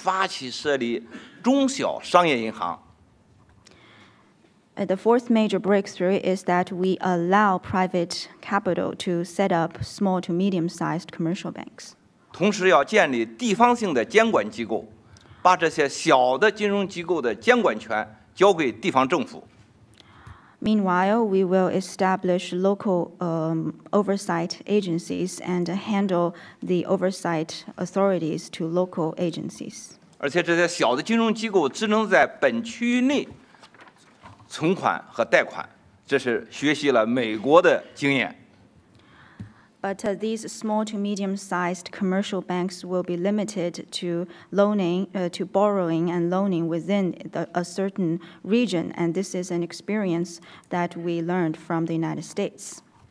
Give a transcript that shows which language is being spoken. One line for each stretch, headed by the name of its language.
Chinese: 第四个重大突破就是允许民间资本发起设立中小商业银行。
English: The fourth major breakthrough is that we allow private capital to set up small to medium-sized commercial banks.
Chinese: 同时要建立地方性的监管机构, 把这些小的金融机构的监管权交给地方政府。
English: Meanwhile, we will establish local oversight agencies and handle the oversight authorities to local agencies.
Chinese: 而且这些小的金融机构只能在本区内存款和贷款, 这是学习了美国的经验。
English: But these small to medium-sized commercial banks will be limited to loaning, to borrowing and loaning within the, a certain region, and this is an experience that we learned from the United States.